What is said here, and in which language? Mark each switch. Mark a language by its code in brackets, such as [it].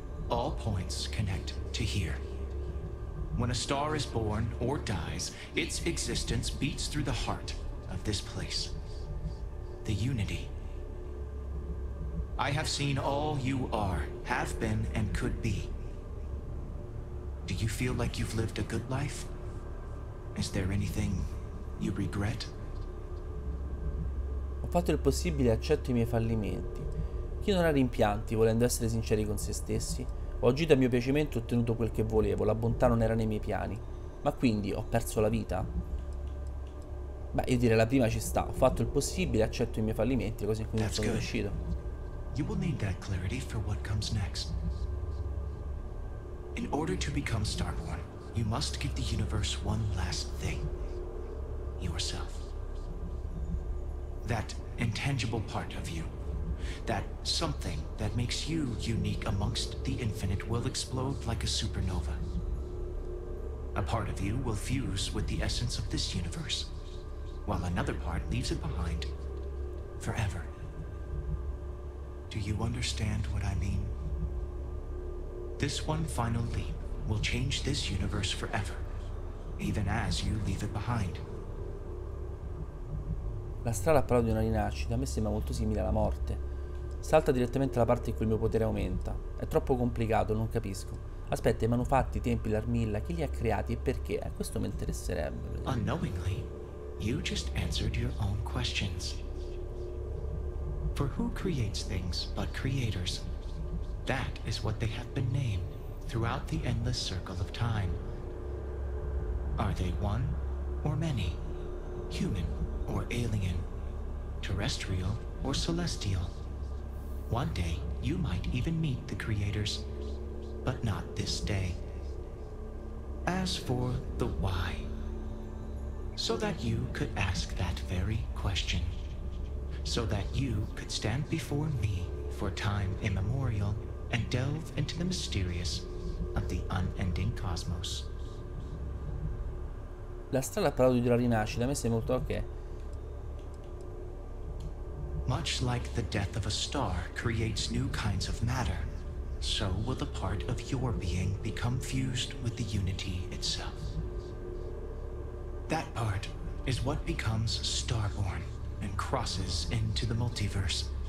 [en] All points connect to here. When a star is born or dies, its existence beats through the heart of this place. The unity. I have seen all you are, have been, and could be. Do you feel like you've lived a good life? Is there anything you regret? [it] Ho fatto il possibile e accetto i miei fallimenti. Chi non ha rimpianti, volendo essere sinceri con se stessi? Ho agito a mio piacimento e ottenuto quel che volevo. La bontà non era nei miei piani. Ma quindi, ho perso la vita? Beh, io direi la prima ci sta. Ho fatto il possibile e accetto i miei fallimenti. Così in cui non sono riuscito. [en] You will need that clarity for what comes next. In order to become Starborn, you must give the universe one last thing. Yourself. That intangible part of you. That something that makes you unique amongst the infinite will explode like a supernova. A part of you will fuse with the essence of this universe, while another part leaves it behind forever. Do you understand what I mean? This one final leap will change this universe forever, even as you leave it behind. [it] La strada ha parlato di una rinascita, a me sembra molto simile alla morte. Salta direttamente la parte in cui il mio potere aumenta. È troppo complicato, non capisco. Aspetta, i manufatti, i templi, l'armilla, chi li ha creati e perché? Questo mi interesserebbe. [en] Unknowingly, you just answered your own questions. For who creates things but creators? That is what they have been named throughout the endless circle of time. Are they one or many? Human? Or alien, terrestrial, or celestial. One day, you might even meet the creators, but not this day. As for the why, so that you could ask that very question, so that you could stand before me for time immemorial and delve into the mysterious of the unending cosmos. [it] La strada ha parlato di una rinascita, a me sembra molto ok. [en] Much like the death of a star creates new kinds of matter, so will the part of your being become fused with the unity itself. That part is what becomes Starborn and crosses into the multiverse.